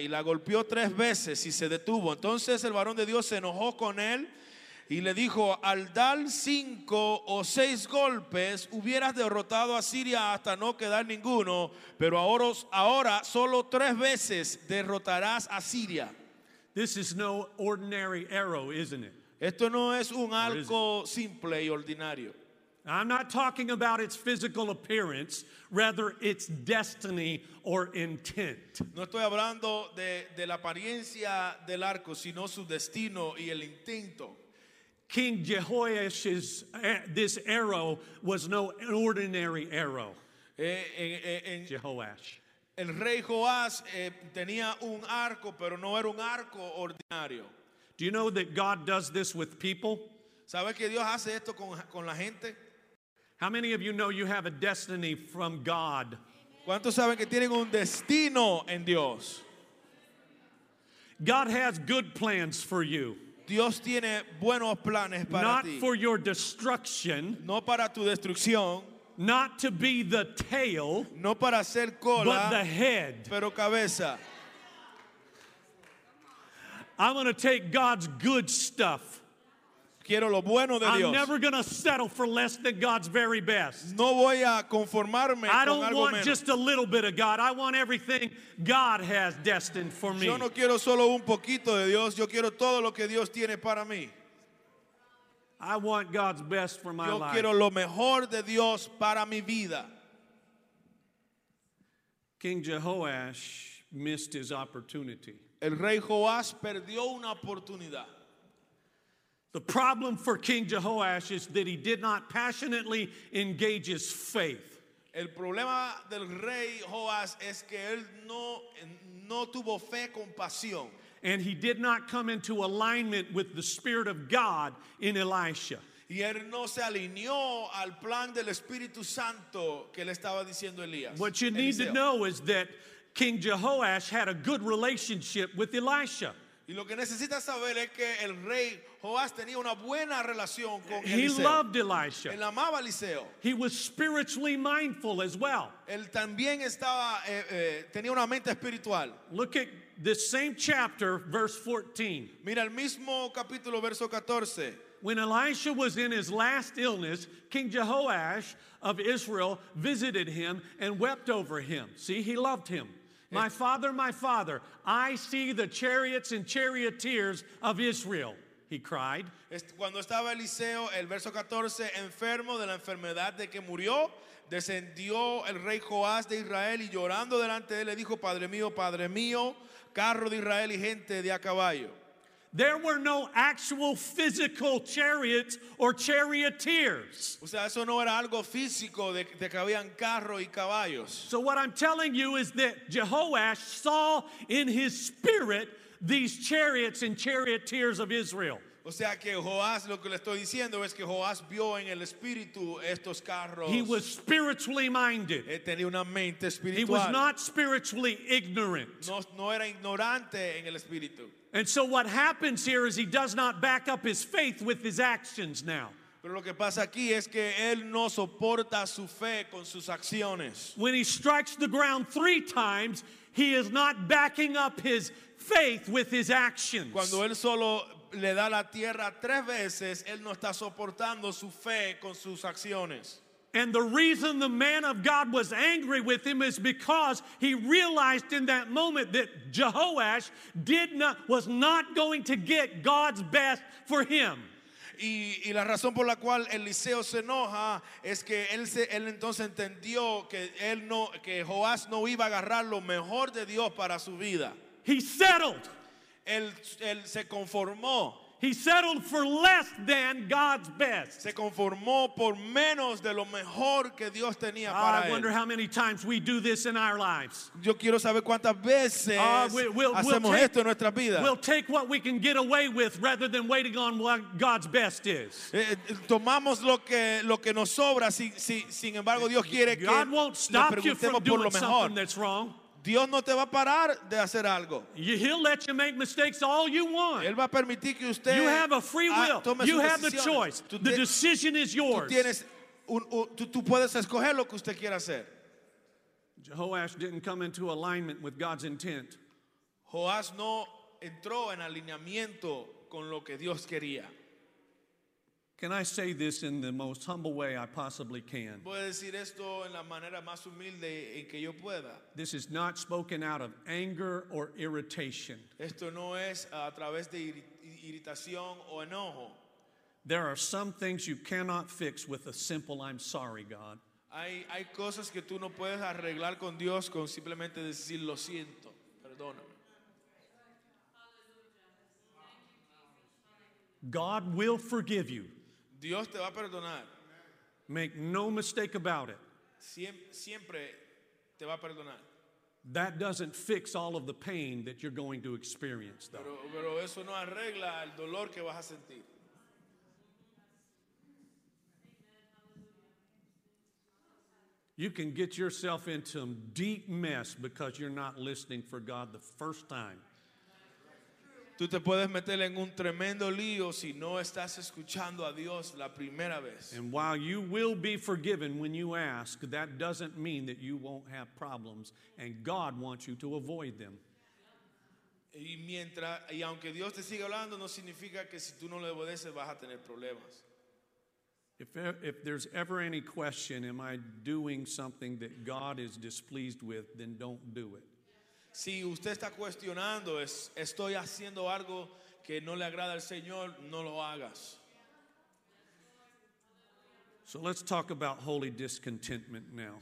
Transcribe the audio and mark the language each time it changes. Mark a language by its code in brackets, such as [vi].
[es] Y la golpeó tres veces y se detuvo. Entonces el varón de Dios se enojó con él y le dijo, "Al dar cinco o seis golpes hubieras derrotado a Siria hasta no quedar ninguno, pero ahora solo tres veces derrotarás a Siria." [en] This is no ordinary arrow, isn't it? [es] Esto no es un arco simple y ordinario. [en] I'm not talking about its physical appearance, rather its destiny or intent. [es] No estoy hablando de la apariencia del arco, sino su destino y el intento. [en] King Jehoiash's this arrow was no ordinary arrow. Jehoash. [es] El rey Joás tenía un arco, pero no era un arco ordinario. [en] Do you know that God does this with people? [es] ¿Sabe que Dios hace esto con la gente? [en] How many of you know you have a destiny from God? [es] ¿Cuántos saben que tienen un destino en Dios? [en] God has good plans for you. [es] Dios tiene buenos planes para [en] not [es] ti. [en] For your destruction. [es] No para tu destrucción. [en] Not to be the tail. [es] No para ser cola. [en] But the head. [es] Pero cabeza. [en] I'm going to take God's good stuff. [es] Quiero lo bueno de Dios. [en] I'm never going to settle for less than God's very best. [es] No voy a conformarme [en] I don't [es] con algo [en] want [es] menos. [en] Just a little bit of God. I want everything God has destined for me. [es] Yo no quiero solo un poquito de Dios. Yo quiero todo lo que Dios tiene para mí. [en] I want God's best for my [es] Yo [en] life. [es] Yo quiero lo mejor de Dios para mi vida. [en] King Jehoash missed his opportunity. [es] El rey Joás perdió una oportunidad. [en] The problem for King Jehoash is that he did not passionately engage his faith. [es] El problema del rey Joás es que él no tuvo fe con pasión. [en] And he did not come into alignment with the Spirit of God in Elisha. [es] Y él no se alineó al plan del Espíritu Santo que le estaba diciendo Elías. [en] What you need to know is that King Jehoash had a good relationship with Elisha. [es] Y lo que necesitas saber es que el rey Joás tenía una buena relación con Eliseo. [en] He loved Elisha. [es] Él amaba Eliseo. [en] He was spiritually mindful as well. [es] Él también estaba tenía una mente espiritual. [en] Look at this same chapter, verse 14. [es] Mira el mismo capítulo, verso 14. [en] When Elisha was in his last illness, King Jehoash of Israel visited him and wept over him. See, he loved him. My father, I see the chariots and charioteers of Israel, he cried. [es] Cuando estaba Eliseo, el verso 14, enfermo de la enfermedad de que murió, descendió el rey Joás de Israel y llorando delante de él le dijo, Padre mío, carro de Israel y gente de a caballo. [en] There were no actual physical chariots or charioteers. [es] O sea, eso no era algo físico de que habían carros y caballos. [en] So what I'm telling you is that Jehoash saw in his spirit these chariots and charioteers of Israel. [es] O sea que Joás, lo que le estoy diciendo es que Joás vio en el espíritu estos carros. [en] He was spiritually minded. [es] Él tenía una mente espiritual. [en] He was not spiritually ignorant. [es] No era ignorante en el espíritu. [en] And so what happens here is he does not back up his faith with his actions now. [es] Pero lo que pasa aquí es que él no soporta su fe con sus acciones. [en] When he strikes the ground three times, he is not backing up his faith with his actions. [es] Cuando él solo le da la tierra tres veces, él no está soportando su fe con sus acciones. [en] And the reason the man of God was angry with him is because he realized in that moment that Jehoash was not going to get God's best for him. [es] Y la razón por la cual Eliseo se enoja es que él entonces entendió que él no que Joás no iba a agarrar lo mejor de Dios para su vida. [en] He settled. [es] Él se conformó. [en] He settled for less than God's best. [es] Se conformó por menos de lo mejor que Dios tenía para él. [en] I wonder how many times we do this in our lives. [es] Yo quiero saber cuántas veces hacemos esto en nuestras vidas. [en] We'll take what we can get away with rather than waiting on what God's best is. [es] Tomamos lo que nos sobra sin embargo Dios quiere que [en] God won't stop you from doing something that's wrong. [es] Dios no te va a parar de hacer algo. [en] He'll let you make mistakes all you want. [es] Él va a permitir que usted [en] You have a free will. You have the choice. The decision is yours. [es] Tú puedes escoger lo que usted quiera hacer. [en] Jehoash didn't come into alignment with God's intent. [es] Joás no entró en alineamiento con lo que Dios quería. [en] Can I say this in the most humble way I possibly can? [es] ¿Puedo decir esto en la manera más humilde en que yo pueda? [en] This is not spoken out of anger or irritation. [es] Esto no es a través de irritación o enojo. [en] There are some things you cannot fix with a simple I'm sorry, God. [es] Hay cosas que tú no puedes arreglar con Dios con simplemente decir lo siento, perdóname. [en] God will forgive you. [es] Dios te va a perdonar. [en] Make no mistake about it. [es] Siempre te va a perdonar. [en] That doesn't fix all of the pain that you're going to experience, though. [es] Pero eso no arregla el dolor que vas a sentir. [en] You can get yourself into a deep mess because you're not listening for God the first time. [es] Tú te puedes meter en un tremendo lío si no estás escuchando a Dios la primera vez. [en] And while you will be forgiven when you ask, that doesn't mean that you won't have problems, and God wants you to avoid them. [es] Y mientras y aunque Dios te siga hablando, no significa que si tú no le obedeces vas a tener problemas. [en] If there's ever any question, am I doing something that God is displeased with, then don't do it. [es] Si usted está cuestionando, estoy haciendo algo que no le agrada al Señor, no lo hagas. [en] So let's talk about holy discontentment now.